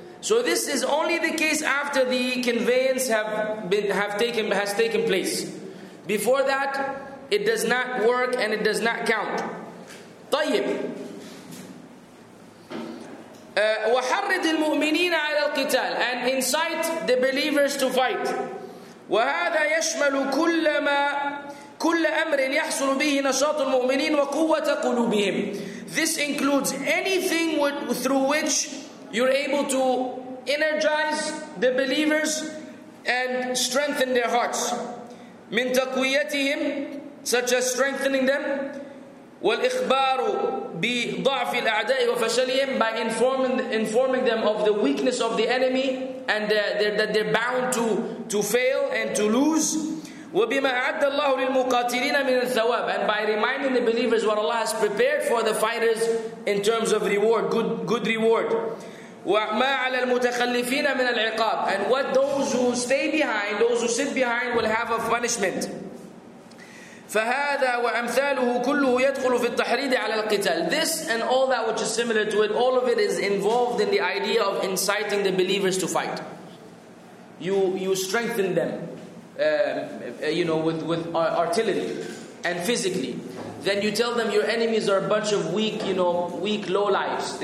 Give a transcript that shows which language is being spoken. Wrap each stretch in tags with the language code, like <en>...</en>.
<en>So this is only the case after the conveyance has taken place. Before that, it does not work and it does not count.</en> <ar>طيب. وحرّد المؤمنين على القتال,</ar> <en>and incite the believers to fight.</en> <ar>وهذا يشمل كل أمر يحصل به نشاط المؤمنين وقوة قلوبهم.</ar> <en>This includes anything through which you're able to energize the believers and strengthen their hearts.</en> <ar>من تقويتهم,</ar> <en>such as strengthening them.</en> <ar>والإخبار بضعف الأعداء وفشلهم,</ar> <en>by informing them of the weakness of the enemy and that they're bound to fail and to lose.</en> <ar>وبما أعد الله للمقاتلين من الثواب,</ar> <en>and by reminding the believers what Allah has prepared for the fighters in terms of reward, good reward.</en> <ar>وما على المتخلفين من العقاب,</ar> <en>and what those who stay behind, those who sit behind, will have of punishment.</en> <ar>فهذا وأمثاله كله يدخل في التحريض على القتال.</ar> <en>This and all that which is similar to it, all of it is involved in the idea of inciting the believers to fight. You strengthen them, with artillery and physically. Then you tell them your enemies are a bunch of weak low lives.</en>